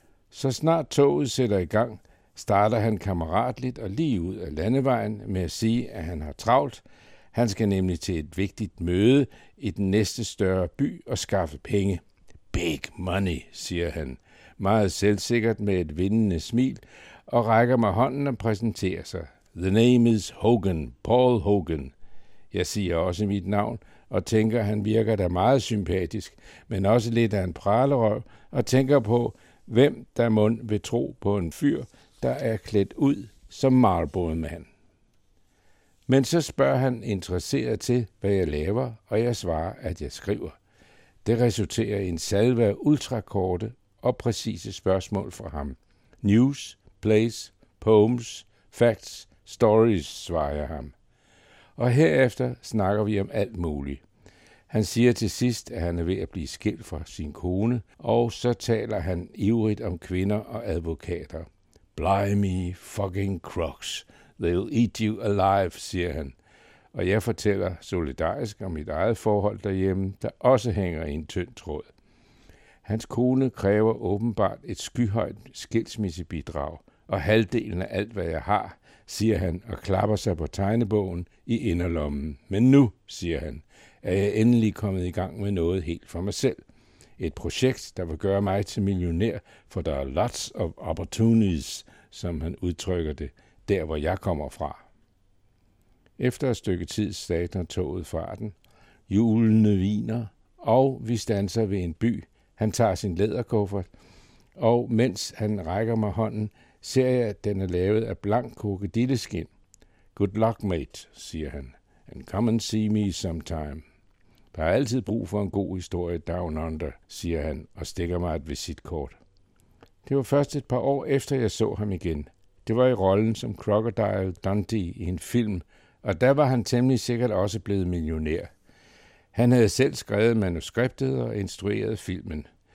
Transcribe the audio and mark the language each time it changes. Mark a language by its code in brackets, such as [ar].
[da] Så snart toget sætter i gang, starter han kammeratligt og lige ud af landevejen med at sige, at han har travlt. Han skal nemlig til et vigtigt møde i den næste større by og skaffe penge. [en] Big money, [da] siger han. Meget selvsikkert med et vindende smil, og rækker mig hånden og præsenterer sig. [en] The name is Hogan, Paul Hogan. [da] Jeg siger også mit navn, og tænker, han virker da meget sympatisk, men også lidt af en pralerøv, og tænker på, hvem der mund vil tro på en fyr, der er klædt ud som Marlboro-mand. Men så spørger han interesseret til, hvad jeg laver, og jeg svarer, at jeg skriver. Det resulterer i en salve af ultrakorte, og præcise spørgsmål fra ham. [en] News, plays, poems, facts, stories, [da] svarer jeg ham. Og herefter snakker vi om alt muligt. Han siger til sidst, at han er ved at blive skilt fra sin kone, og så taler han ivrigt om kvinder og advokater. [en] Blimey fucking crooks, they'll eat you alive, [da] siger han. Og jeg fortæller solidarisk om mit eget forhold derhjemme, der også hænger i en tynd tråd. Hans kone kræver åbenbart et skyhøjt skilsmissebidrag, og halvdelen af alt, hvad jeg har, siger han og klapper sig på tegnebogen i inderlommen. Men nu, siger han, er jeg endelig kommet i gang med noget helt for mig selv. Et projekt, der vil gøre mig til millionær, for der er [en] lots of opportunities, [da] som han udtrykker det, der hvor jeg kommer fra. Efter et stykke tid stager toget farten, hjulene viner, og vi standser ved en by. Han tager sin læderkuffert, og mens han rækker mig hånden, ser jeg, at den er lavet af blank krokodilleskin. [en] Good luck, mate, [da] siger han, [en] and come and see me sometime. [da] Der er altid brug for en god historie [en] down under, [da] siger han, og stikker mig et visitkort. Det var først et par år efter, jeg så ham igen. Det var i rollen som Crocodile Dundee i en film, og der var han temmelig sikkert også blevet millionær. Han havde selv skrevet manuskriptet og instrueret filmen.